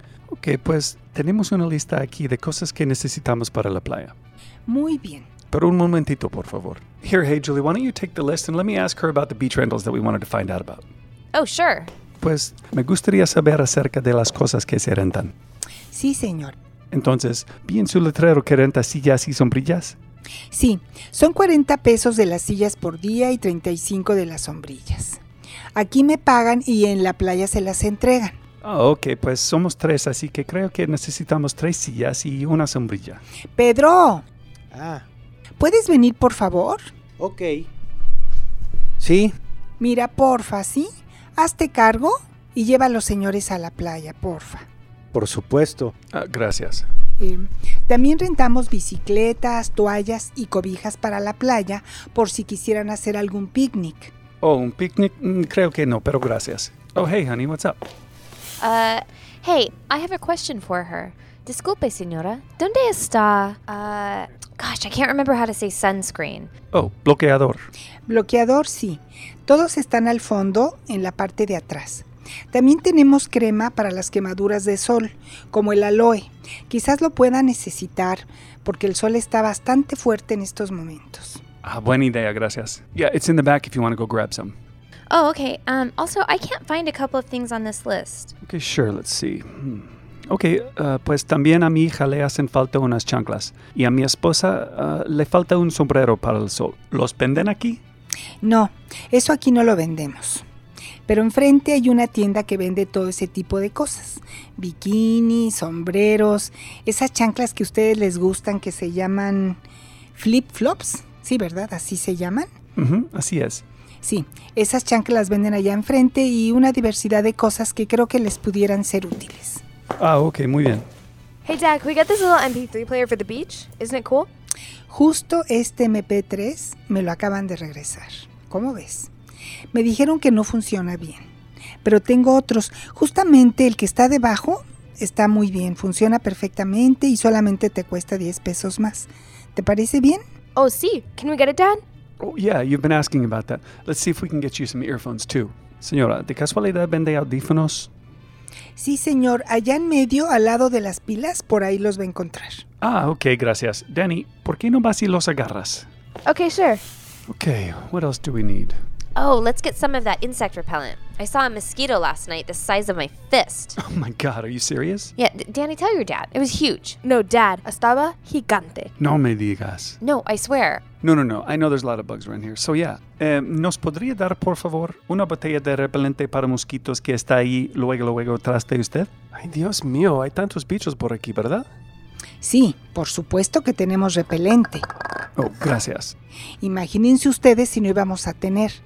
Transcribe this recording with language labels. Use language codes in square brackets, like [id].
[es] Okay, pues tenemos una lista aquí de cosas que necesitamos para la playa. Muy bien. Pero un momentito, por favor. [en] Here, hey, Julie, why don't you take the list and let me ask her about the beach rentals that we wanted to find out about. Oh, sure. [es] Pues, me gustaría saber acerca de las cosas que se rentan. Sí, señor. Entonces, vi en su letrero que renta sillas y sombrillas. Sí, son 40 pesos de las sillas por día y 35 de las sombrillas. Aquí me pagan y en la playa se las entregan. Oh, ok, pues somos tres, así que creo que necesitamos tres sillas y una sombrilla. ¡Pedro! Ah. ¿Puedes venir, por favor? Ok. ¿Sí? Mira, porfa, ¿sí? Hazte cargo y lleva a los señores a la playa, porfa. Por supuesto. Gracias. También rentamos bicicletas, toallas y cobijas para la playa por si quisieran hacer algún picnic. Oh, ¿un picnic? Creo que no, pero gracias. [en] Oh, hey, honey, what's up? Hey, I have a question for her. [es] Disculpe, señora. ¿Dónde está? [en] Gosh, I can't remember how to say sunscreen. [es] Oh, bloqueador. Bloqueador, sí. Todos están al fondo, en la parte de atrás. También tenemos crema para las quemaduras de sol, como el aloe. Quizás lo pueda necesitar, porque el sol está bastante fuerte en estos momentos. Ah, buena idea, gracias. [en] Yeah, it's in the back if you want to go grab some. Oh, okay. Also, I can't find a couple of things on this list. Okay, sure, let's see. [es] Okay, pues también a mi hija le hacen falta unas chanclas. Y a mi esposa le falta un sombrero para el sol. ¿Los venden aquí? No, eso aquí no lo vendemos. Pero enfrente hay una tienda que vende todo ese tipo de cosas. Bikinis, sombreros, esas chanclas que a ustedes les gustan que se llaman flip-flops. Sí, ¿verdad? Así se llaman. Uh-huh, así es. Sí, esas chanclas las venden allá enfrente y una diversidad de cosas que creo que les pudieran ser útiles. Ah, ok, muy bien. [en] Hey, Dad, can we get this little MP3 player for the beach? Isn't it cool? [es] Justo este MP3 me lo acaban de regresar. ¿Cómo ves? Me dijeron que no funciona bien, pero tengo otros. Justamente el que está debajo está muy bien, funciona perfectamente y solamente te cuesta 10 pesos más. ¿Te parece bien? Oh, sí. [en] Can we get it, Dad? Oh, yeah, you've been asking about that. Let's see if we can get you some earphones, too. [es] Señora, ¿de casualidad vende audífonos? Sí, señor. Allá en medio, al lado de las pilas, por ahí los va a encontrar. Ah, ok, gracias. Danny, ¿por qué no vas y los agarras? [en] Ok, sure. Ok, what else do we need? Oh, let's get some of that insect repellent. I saw a mosquito last night the size of my fist. Oh my God, are you serious? Yeah, Danny, tell your dad. It was huge. No, Dad, [es] estaba gigante. No me digas. [en] No, I swear. No. I know there's a lot of bugs around here. So yeah, [es] ¿nos podría dar, por favor, una botella de repelente para mosquitos que está ahí luego tras de usted? Ay, Dios mío, hay tantos bichos por aquí, ¿verdad? Sí, por supuesto que tenemos repelente. Oh, gracias. Imagínense ustedes si no íbamos a tener.